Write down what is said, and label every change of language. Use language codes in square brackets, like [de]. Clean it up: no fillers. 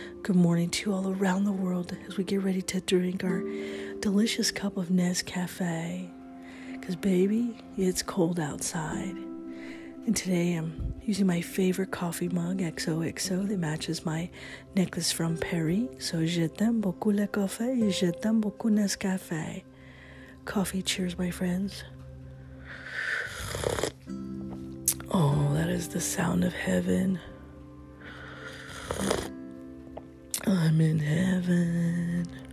[en] Good morning to you all around the world as we get ready to drink our delicious cup of Nescafe. Because, baby, it's cold outside. And today I'm using my favorite coffee mug, XOXO, that matches my necklace from Paris. [fr] So, je t'aime beaucoup le café et je t'aime beaucoup Nescafe. [en] Coffee, cheers, my friends. Oh, that is the sound of heaven. I'm in heaven.